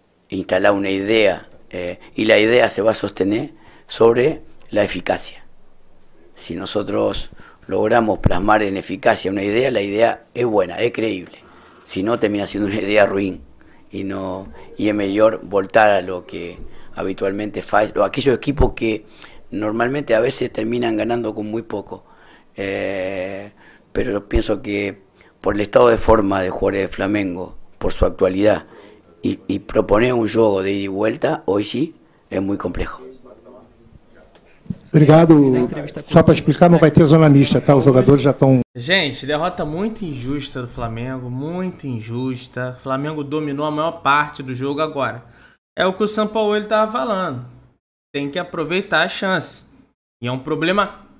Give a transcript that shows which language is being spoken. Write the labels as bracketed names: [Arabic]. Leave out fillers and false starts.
[Portuguese] Instalar uma ideia, e a ideia se vai sostener sobre a eficácia. [Spanish] Se nós logramos plasmar en eficacia una idea, la idea es buena, es creíble. Si no, termina siendo una idea ruin. Y es mejor voltar a lo que habitualmente falla. Aquellos equipos que normalmente a veces terminan ganando con muy poco. Pero yo pienso que por el estado de forma de jugadores de Flamengo, por su actualidad, y proponer un juego de ida y vuelta, hoy sí, es muy complejo. [Portuguese] Obrigado. Só para explicar, não vai ter zona mista, tá? Os jogadores já estão... Gente, derrota muito injusta do Flamengo, muito injusta. O Flamengo dominou a maior parte do jogo agora. É o que o Sampaoli estava falando. Tem que aproveitar a chance. E é um problema